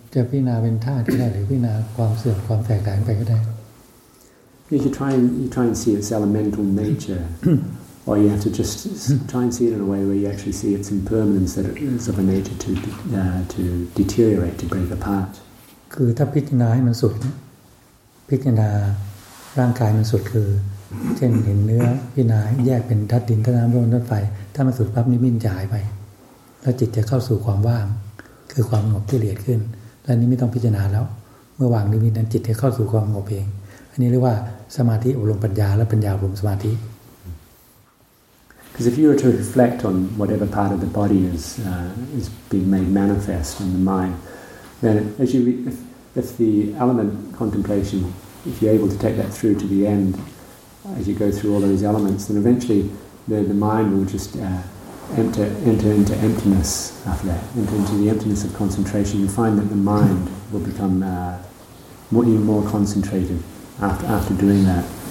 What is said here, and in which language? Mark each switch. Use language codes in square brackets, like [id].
[th] จะพิจารณาเป็นธาตุก็ได้หรือพิจารณาความเสื่อมความแตกต่างไปก็ได้ [en] you try and see its elemental nature or you have to just try and see it in a way where you actually see its impermanence that it is of a nature to deteriorate to break apart [th] คือถ้าพิจารณาให้มันสุดพิจารณาร่างกายมันสุดคือเช่นเห็นเนื้อพิจารณาแยกเป็นธาตุดินธาตุน้ำลมธาตุไฟถ้ามันสุดปั๊บนี่มันจะหายไปแล้วจิตจะเข้าสู่ความว่างคือความสงบที่ละเอียดขึ้นและนี้ไม่ต้องพิจารณาแล้วเมื่อวางนิมิตนั้นจิตจะเข้าสู่ความสงบเองอันนี้เรียกว่าสมาธิอบรมปัญญาและปัญญาอบรมสมาธิ [en] Because if you were to reflect on whatever part of the body is being made manifest in the mind, then if the element contemplation, if you're able to take that through to the end, as you go through all those elements, then eventually the mind will just enter into emptiness after that, enter into the emptiness of concentration, you find that the mind will become even more concentrated after doing that.